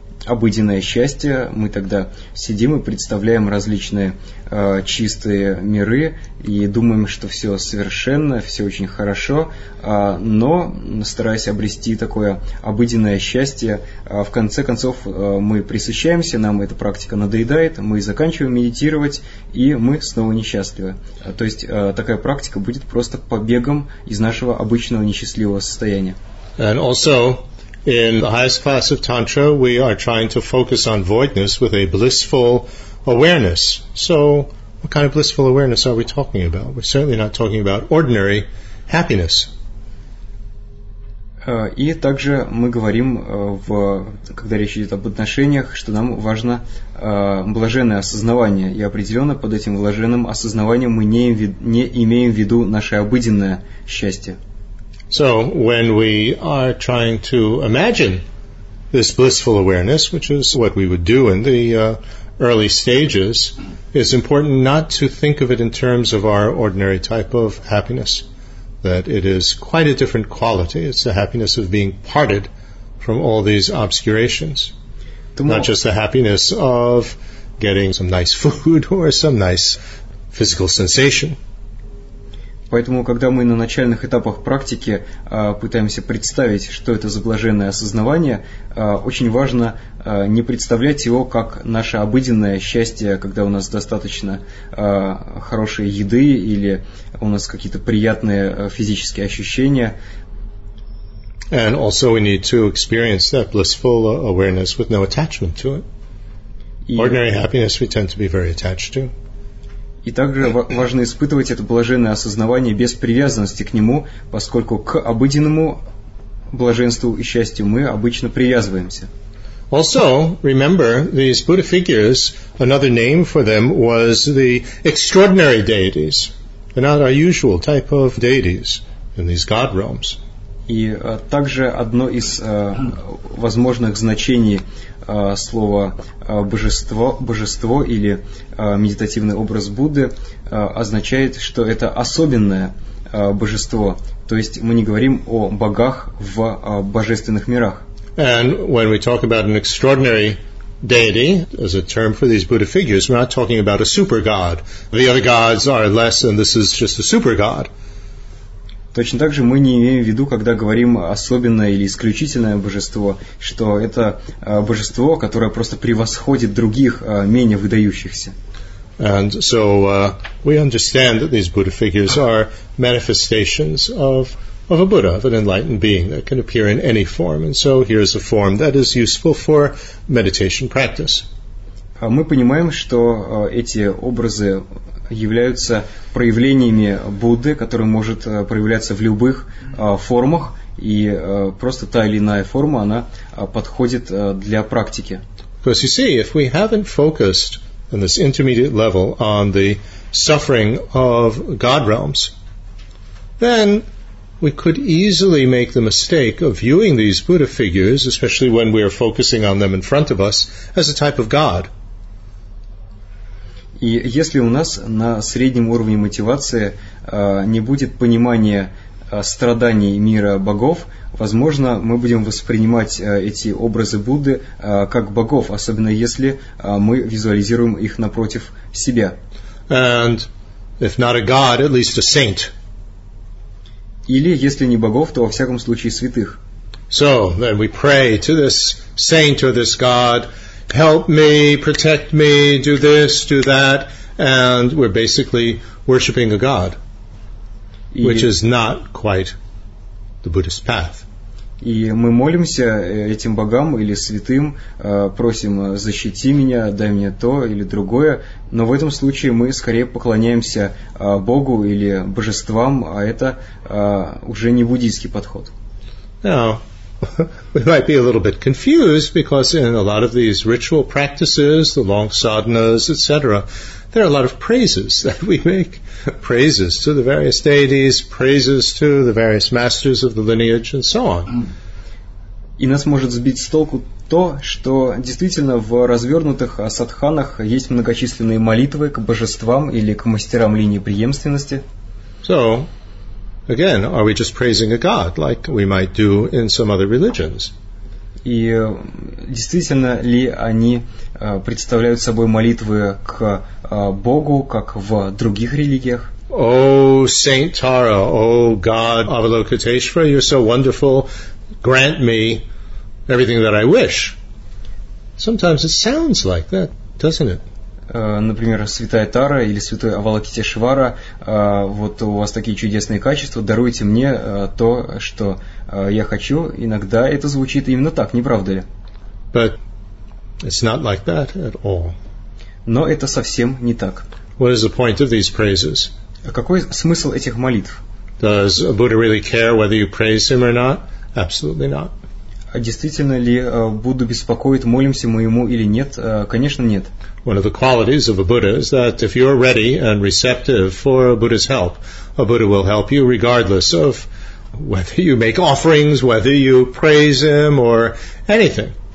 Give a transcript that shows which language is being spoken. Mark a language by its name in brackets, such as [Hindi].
[Russian] обыденное счастье, мы тогда сидим и представляем различные чистые миры и думаем, что все совершенно, все очень хорошо, но стараясь обрести такое обыденное счастье, в конце концов мы присыщаемся, нам эта практика надоедает, мы заканчиваем медитировать, и мы снова несчастливы. То есть такая практика будет просто побегом из нашего обычного несчастливого состояния. [English] And also, in the highest class of Tantra, we are trying to focus on voidness with a blissful awareness. So, what kind of blissful awareness are we talking about? We're certainly not talking about ordinary happiness. [Russian] И также мы говорим, когда речь идет об отношениях, что нам важно блаженное осознавание. И определенно под этим блаженным осознаванием мы не имеем в виду наше обыденное счастье. [English] So when we are trying to imagine this blissful awareness, which is what we would do in the early stages, it's important not to think of it in terms of our ordinary type of happiness, that it is quite a different quality. It's the happiness of being parted from all these obscurations, not just the happiness of getting some nice food or some nice physical sensation. [Russian] Поэтому, когда мы на начальных этапах практики пытаемся представить, что это за блаженное осознавание, очень важно не представлять его как наше обыденное счастье, когда у нас достаточно хорошей еды или у нас какие-то приятные физические ощущения. [English] And also we need to experience that blissful awareness with no attachment to it. Ordinary happiness we tend to be very attached to. [Russian] И также важно испытывать это блаженное осознавание без привязанности к нему, поскольку к обыденному блаженству и счастью мы обычно привязываемся. [English] Also, remember, these Buddha figures, another name for them was the extraordinary deities. They're not our usual type of deities in these god realms. [Russian] И также одно из возможных значений слова божество или медитативный образ Будды означает, что это особенное божество. То есть мы не говорим о богах в божественных мирах. [English] And when we talk about an extraordinary deity as a term for these Buddha figures, we're not talking about a super god. The other gods are less, and this is just a super god. [Russian] Точно так же мы не имеем в виду, когда говорим особенное или исключительное божество, что это божество, которое просто превосходит других, менее выдающихся. [English] And so we understand that these Buddha figures are manifestations of a Buddha, of an enlightened being that can appear in any form. And so here is a form that is useful for meditation practice. [Russian] Мы понимаем, что эти образы являются проявлениями Будды, который может проявляться в любых формах, и просто та или иная форма, она подходит для практики. [English] Because you see, if we haven't focused on this intermediate level on the suffering of God realms, then we could easily make the mistake of viewing these Buddha figures, especially when we are focusing on them in front of us, as a type of God. [Russian] И если у нас на среднем уровне мотивации не будет понимания страданий мира богов, возможно, мы будем воспринимать эти образы Будды как богов, особенно если мы визуализируем их напротив себя. [English] And if not a god, at least a saint. [Russian] Или если не богов, то во всяком случае святых. [English] So then we pray to this saint or this god. Help me, protect me, do this, do that, and we're basically worshipping a god, which is not quite the Buddhist path. [Russian] И мы молимся этим богам или святым, просим защити меня, дай мне то или другое, но в этом случае мы скорее поклоняемся богу или божествам, а это уже не буддийский подход. [English] Now, we might be a little bit confused because in a lot of these ritual practices, the long sadhanas, etc., there are a lot of praises that we make. Praises to the various deities, praises to the various masters of the lineage, and so on. [Russian] И нас может сбить с толку то, что действительно в развернутых садханах есть многочисленные молитвы к божествам или к мастерам линии преемственности. [English] So, again, are we just praising a god like we might do in some other religions? [Russian] И действительно ли они представляют собой молитвы к Богу, как в других религиях? [English] О, Saint Tara, о, God Avalokiteshvara, you're so wonderful. Grant me everything that I wish. Sometimes it sounds like that, doesn't it? [Russian] Например, Святая Тара или Святой Авалокитешвара, вот у вас такие чудесные качества, даруйте мне то, что я хочу. Иногда это звучит именно так, не правда ли? [English] But it's not like that at all. [Russian] Но это совсем не так. [English] What is the point of these praises? [Russian] Какой смысл этих молитв? [English] Does Buddha really care whether you praise him or not? Absolutely not. [Russian] Действительно ли Будду беспокоит, молимся мы ему или нет? Конечно, нет. [English] One of the qualities of a Buddha is that if you're ready and receptive for a Buddha's help, a Buddha will help you regardless of whether you make offerings, whether you praise him or anything.